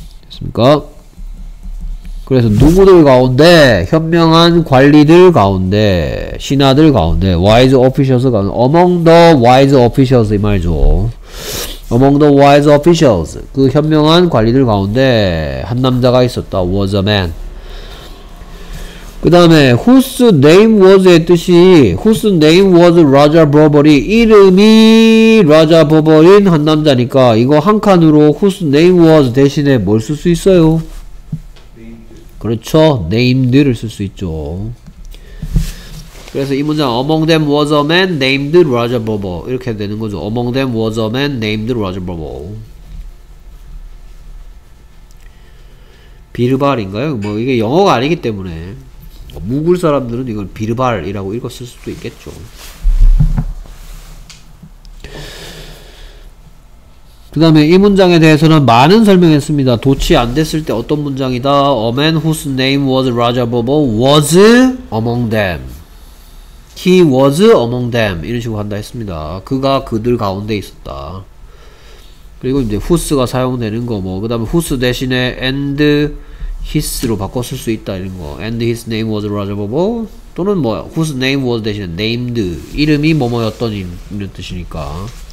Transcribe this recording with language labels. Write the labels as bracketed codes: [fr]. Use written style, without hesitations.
[ko] 됐습니까? 그래서 누구들 가운데? 현명한 관리들 가운데, 신하들 가운데, wise officials 가운데, [en] among the wise officials [ko] 이 말이죠. [en] Among the wise officials, [ko] 그 현명한 관리들 가운데 한 남자가 있었다. [en] Was a man. [ko] 그 다음에 [en] whose name was의 뜻이 whose name was Roger Burbery. [ko] 이름이 Roger Burbery인 한 남자니까 이거 한 칸으로 whose name was 대신에 뭘 쓸 수 있어요? Named. 그렇죠. named를 쓸 수 있죠. 그래서 이 문장 [en] among them was a man named Roger Burbery [ko] 이렇게 되는 거죠. [en] among them was a man named Roger Burbery. [ko] 비르발인가요? 뭐 이게 영어가 아니기 때문에 무굴 사람들은 이걸 비르발이라고 읽었을 수도 있겠죠. 그 다음에 이 문장에 대해서는 많은 설명했습니다. 도치 안 됐을 때 어떤 문장이다. [en] A man whose name was Roger Burbow was among them. He was among them. [ko] 이런 식으로 한다 했습니다. 그가 그들 가운데 있었다. 그리고 이제 후스가 사용되는 거 뭐 그 다음에 후스 대신에 and his로 바꿔 쓸 수 있다 이런 거 [en] and his name was Roger Bobo [ko] 또는 뭐 whose name was 대신에 named 이름이 뭐뭐였던 이런 뜻이니까